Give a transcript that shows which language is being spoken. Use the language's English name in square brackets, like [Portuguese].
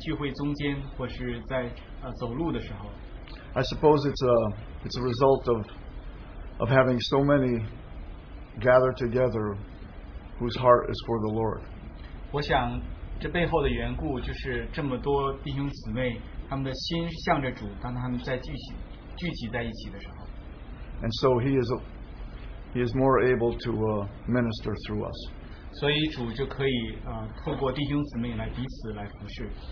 [Chinese] 或者是在任何的时候，可以在聚会中间，或是在走路的时候。 [English] I suppose it's a result of having so many gathered together whose heart is for the Lord. [Chinese] 我想这背后的缘故就是这么多弟兄姊妹，他们的心向着主，当他们在聚集在一起的时候。 [English] And so he is more able to minister through us. [Chinese] 所以主就可以, 透过弟兄姊妹来彼此来服侍。